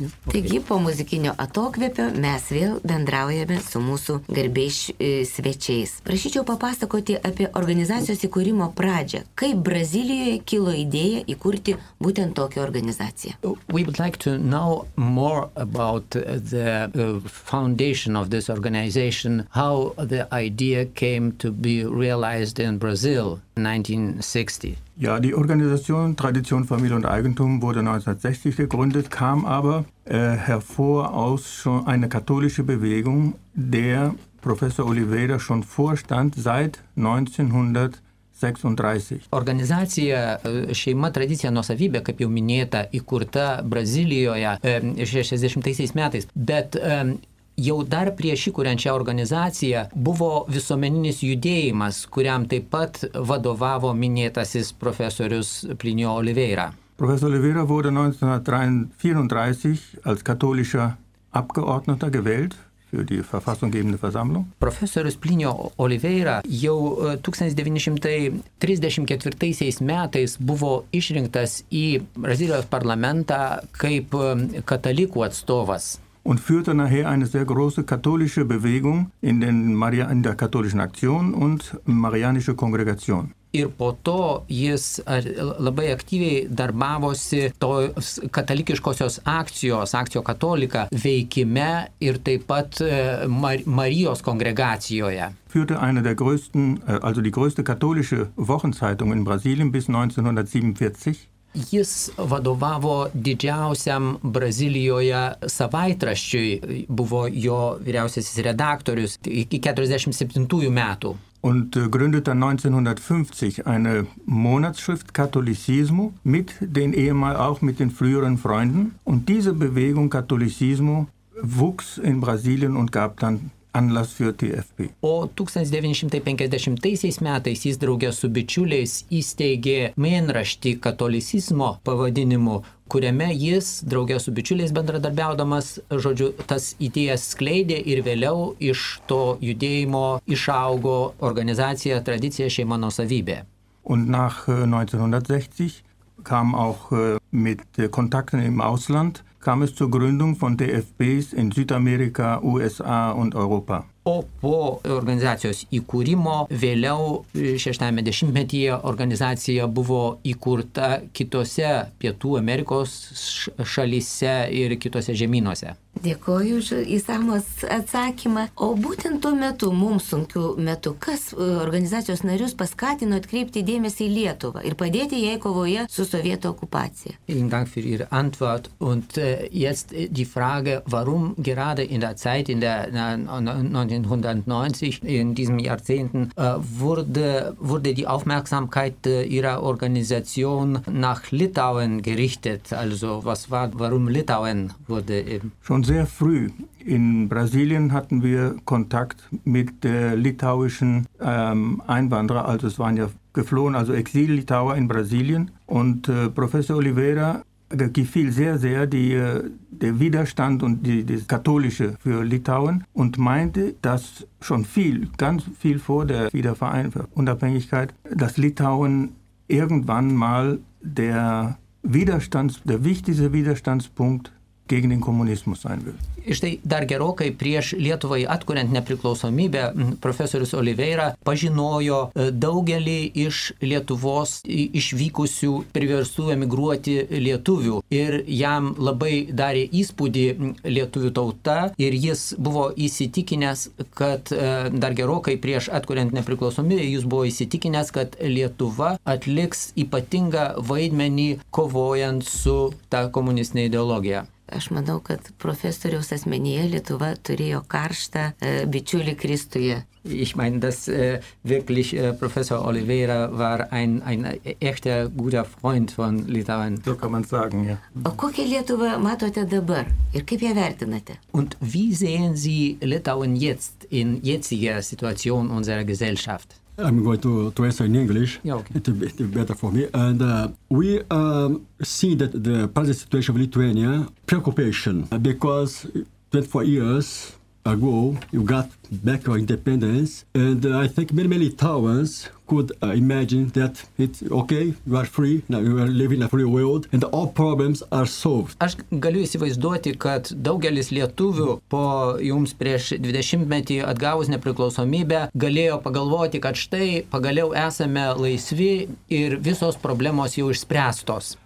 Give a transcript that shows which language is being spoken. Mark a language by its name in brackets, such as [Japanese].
[Lithuanian] Taigi po muzikinio atokvėpio mes vėl bendraujame su mūsų garbės svečiais. Prašyčiau papasakoti apie organizacijos įkūrimo pradžią. Kaip Brazilijoje kilo idėja įkurti būtent tokią organizaciją? [English] We would like to know more about the foundation of this organization, how the idea came to be realized in Brazil in 1960. [German] Ja, die Organisation Tradition, Familie und Eigentum wurde 1960 gegründet, kam aber hervor aus schon einer katholischen Bewegung, der Professor Oliveira schon vorstand seit 1936. [Lithuanian] Organizacija Šeima, Tradicija, Nuosavybė, kaip jau minėta, įkurta Brazilijoje 60-aisiais metais, bet jau dar prieš įkuriančią organizaciją buvo visuomeninis judėjimas, kuriam taip pat vadovavo minėtasis profesorius Plinio Oliveira. [German] Profesor Oliveira wurde 1934 als katholischer Abgeordneter gewählt für die verfassungsgebende Versammlung. [Lithuanian] Profesorius Plinio Oliveira jau 1934 metais buvo išrinktas į Brazilijos parlamentą kaip katalikų atstovas. [German] Und führte nachher eine sehr große katholische Bewegung in den in der katholischen Aktion und Marianische Kongregation. [Lithuanian] Ir po to jis labai aktyviai darbavosi tos katalikiškosios akcijos, akcijo katolika, veikime ir taip pat Marijos kongregacijoje. [German] Führte eine der größten, also die größte katholische Wochenzeitung in Brasilien bis 1947. [Lithuanian] Jis vadovavo didžiausiam Brazilijoje savaitraščiui, buvo jo vyriausiasis redaktorius iki 47 metų. [German] Und gründete 1950 eine Monatsschrift Katholizismo mit den ehemal auch mit den früheren Freunden und diese Bewegung Katholizismo wuchs in Brasilien und gab dann Anlass für TFP. [Lithuanian] O 1950 metais jis draugė su bičiuliais įsteigė mėnraštį katolicizmo pavadinimu, kuriame jis draugė su bičiuliais bendradarbiaudamas, žodžiu, tas idėjas skleidė ir vėliau iš to judėjimo išaugo organizacija Tradicija Šeima Nuosavybė. [German] Und nach 1960 kam auch mit Kontakten im Ausland kam es zur Gründung von TFPs in Südamerika, USA und Europa. [Lithuanian] O po organizacijos įkūrimo, vėliau 60-ame dešimtmetyje organizacija buvo įkurta kitose Pietų Amerikos šalyse ir kitose žemynuose. Dėkoju už įsamos atsakymą. O būtent tuo metu, mums sunkiu metu, kas organizacijos narius paskatino atkreipti dėmesį į Lietuvą ir padėti jai kovoje su sovietų okupacija? [German] Vielen Dank für Ihre Antwort und jetzt die Frage, warum gerade in der Zeit, in der 1990, in diesem Jahrzehnten, wurde die Aufmerksamkeit ihrer Organisation nach Litauen gerichtet. Also was war, warum Litauen wurde eben? Schon sehr früh in Brasilien hatten wir Kontakt mit litauischen Einwanderern, also es waren ja geflohen, also Exil-Litauer in Brasilien. Und Professor Oliveira gefiel sehr, sehr der Widerstand und das Katholische für Litauen und meinte, dass schon viel, ganz viel vor der Wiedervereinigungsunabhängigkeit, dass Litauen irgendwann mal der wichtigste Widerstandspunkt gegen den Kommunismus sein wird. [Lithuanian] Štai dar gerokai prieš Lietuvai atkuriant nepriklausomybę, profesorius Oliveira pažinojo daugelį iš Lietuvos išvykusių priverstų emigruoti lietuvių. Ir jam labai darė įspūdį lietuvių tauta ir jis buvo įsitikinęs, kad dar gerokai prieš atkuriant nepriklausomybę, jis buvo įsitikinęs, kad Lietuva atliks ypatingą vaidmenį kovojant su ta komunistinė ideologija. Aš manau, kad profesoriaus asmenyje Lietuva turėjo karštą bičiulį Kristuje. [German] Ich meine, dass wirklich Professor Oliveira war ein echter guter Freund von Litauen. So kann man sagen, ja. [Lithuanian] O kokią Lietuvą matote dabar ir kaip ją vertinate? [German] Und wie sehen Sie Litauen jetzt in jetziger Situation unserer Gesellschaft? [English] I'm going to answer in English. Yeah, okay. It'll be better for me. And we see that the present situation of Lithuania preoccupation because 24 years ago you got back your independence, and I think many Litauans could imagine that it's okay, you are free, now you are living in a free world, and all problems are solved. [Lithuanian] Aš galiu įsivaizduoti, kad daugelis lietuvių po jums prieš 20-metį atgavus nepriklausomybę galėjo pagalvoti, kad štai pagaliau esame laisvi ir visos problemos jau išspręstos.